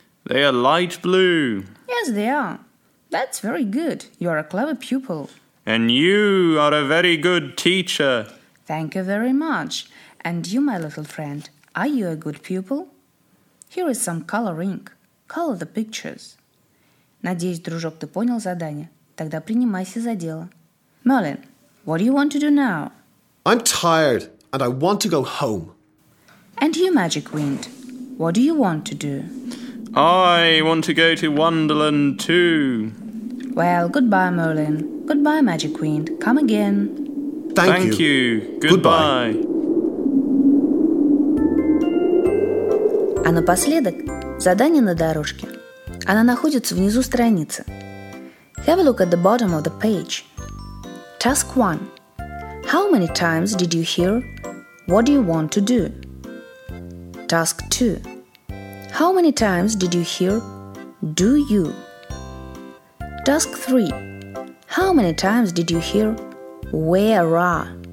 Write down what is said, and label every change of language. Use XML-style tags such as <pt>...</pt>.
<en>They are light blue. Yes, they are. That's very good. You are a clever pupil. And you are a very good teacher. Thank you very much. And you, my little friend, are you a good pupil? Here is some color ink. Color the pictures.</en> <ru>Надеюсь, дружок, ты понял задание. Тогда принимайся за дело.</ru> <en>Merlin, what do you want to do now? I'm tired and I want to go home. And you, Magic Wind, what do you want to do? I want to go to Wonderland too. Well, goodbye, Merlin. Goodbye, Magic Wind. Come again. Thank you. Goodbye.</en> <ru>А напоследок задание на дорожке. Она находится внизу страницы.</ru> <en>Have a look at the bottom of the page. Task 1. How many times did you hear "What do you want to do?" Task 2. How many times did you hear "Do you?" Task 3. How many times did you hear "Where are?"</en>